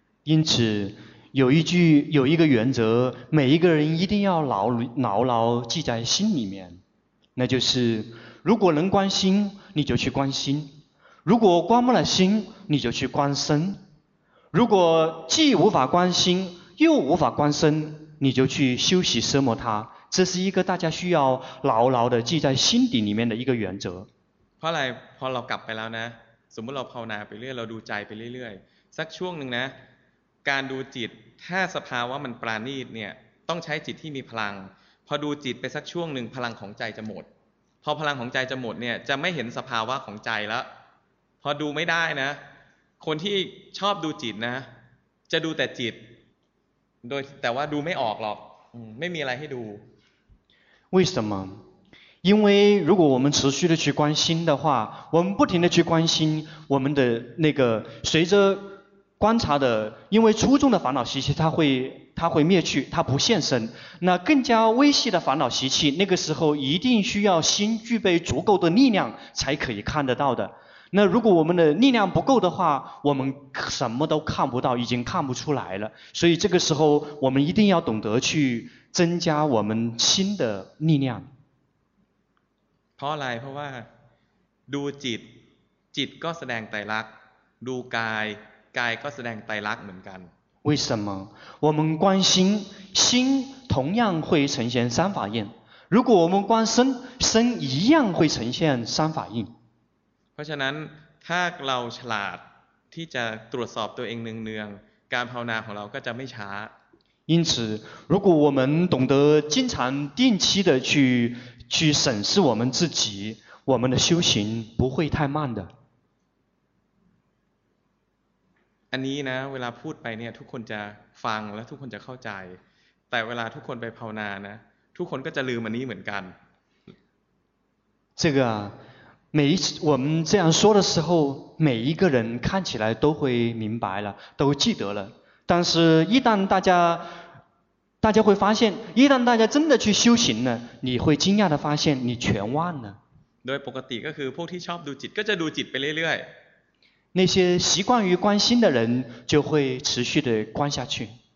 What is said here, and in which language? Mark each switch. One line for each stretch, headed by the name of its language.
Chinese: 因此有一句有一个原则每一个人一定要牢牢记在心里面那就是如果能观心你就去观心如果观不了心你就去观身如果既无法观心又无法观身你就去修习奢摩他这是一个大家需要牢牢的记在心底里面的一个原则
Thai: เพราะอะไรพอเรากลับไปแล้วนะสมมติเราภาวนาไปเรื่อยเราดูใจไปเรื่อยๆสักช่วงหนึ่งนะการดูจิตถ้าสภาวะมันปราณีตเนี่ยต้องใช้จิตที่มีพลังพอดูจิตไปสักช่วงหนึ่งพลังของใจจะหมดพอพลังของใจจะหมดเนี่ยจะไม่เห็นสภาวะของใจแล้วพอดูไม่ได้นะคนที่ชอบดูจิตนะจะดูแต่จิตโดยแต่ว่าดูไม่ออกหรอกไม่มีอะไรให้ดู
Chinese: 为什么因为如果我们持续的去观心的话我们不停的去观心我们的那个随着观察的因为初中的烦恼习气它会灭去它不现身那更加微细的烦恼习气那个时候一定需要心具备足够的力量才可以看得到的那如果我们的力量不够的话我们什么都看不到已经看不出来了所以这个时候我们一定要懂得去增加我们心的力量
Thai: เพราะอะไรเพราะว่าดูจิตจิตก็แสดงไตรลักษณ์ดูกายกายก็แสดงไตรลักษณ์เหมือนกัน
Chinese: 为什么我们观心心同样会呈现三法印如果我们观身身一样会呈现三法印
Thai: เพราะฉะนั้นถ้าเราฉลาดที่จะตรวจสอบตัวเองเนืองๆการภาวนาของเราก็จะไม่ช้า
Chinese: 因此如果我们懂得经常定期的去审视我们自己我们的修行不会太慢的。
Thai: อันนี้นะเวลาพูดไปเนี่ยทุกคนจะฟังและทุกคนจะเข้าใจแต่เวลาทุกคนไปภาวนานะทุกคนก็จะลืมอันนี้เหมือนกัน
Chinese: 这个每一次我们这样说的时候每一个人看起来都会明白了都记得了但是一旦大家会发现一旦大家真的去修行了你会惊讶的发现你全忘了
Thai: โดยปกติก็คือพวกที่ชอบดูจิตก็จะดูจิตไปเรื่อยๆ
Chinese: 那些习惯于关心的人就会持续的关下去。